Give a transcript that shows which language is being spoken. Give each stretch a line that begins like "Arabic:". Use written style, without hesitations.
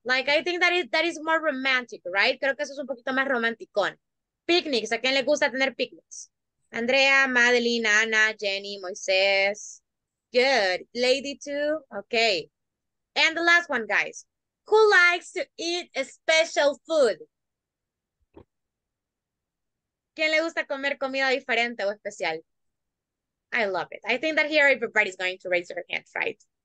English: Like, I think that is more romantic, right?
Spanish: Creo que eso es un poquito más romanticón. Picnics, ¿a quién le gusta tener picnics? Andrea, Madeline, Ana, Jenny, Moisés. Good. Lady too. Okay.
English: And the last one, guys. Who likes to eat special food?
Spanish: ¿Quién le gusta comer comida diferente o especial?
English: I love it. I think that here everybody's going to raise their hands, right?